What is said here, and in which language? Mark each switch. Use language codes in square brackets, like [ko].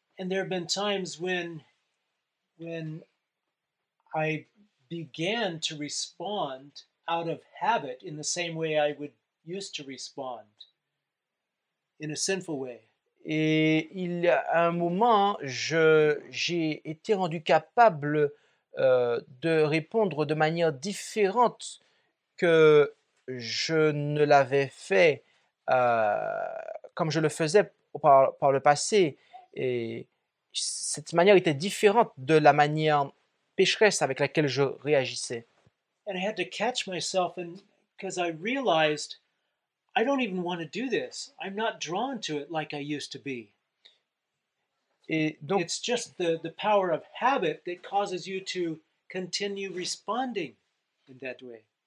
[en] And there have been times when I began to respond out of habit in the same way I would used to respond in a sinful way. [fr] Et il y a un moment, j'ai été rendu capable de répondre de manière différente que je ne l'avais fait comme je le faisais. Par le passé, et cette manière était différente de la manière pécheresse avec laquelle je réagissais. [en] And I had to catch myself because I realized I don't even want to do this. I'm not drawn to it like I used to be. [fr] Et donc, [en] it's just the power of habit that causes you to continue responding in that way.